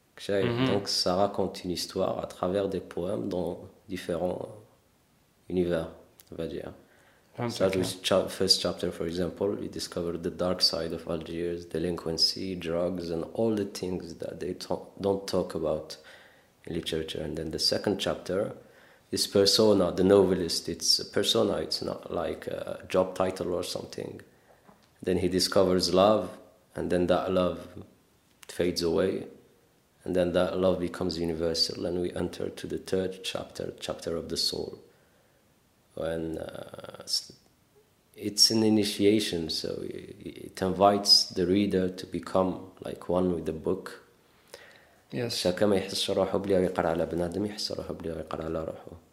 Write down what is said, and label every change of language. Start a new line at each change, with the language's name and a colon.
French: Donc, ça raconte une histoire à travers des poèmes dans différents univers, on va dire.
English: Start with first chapter, for example, we discover the dark side of Algiers, delinquency, drugs, and all the things that they don't talk about in literature. And then the second chapter, this persona, the novelist, it's a persona, it's not like a job title or something. Then he discovers love, and then that love fades away, and then that love becomes universal, and we enter to the third chapter, chapter of the soul. When it's an initiation, so it invites the reader to become like one with the book. Yes.
Arabic: شكل ما يحس روحه بلي يقرأ على بنادم يحس روحه بلي يقرأ على روحه.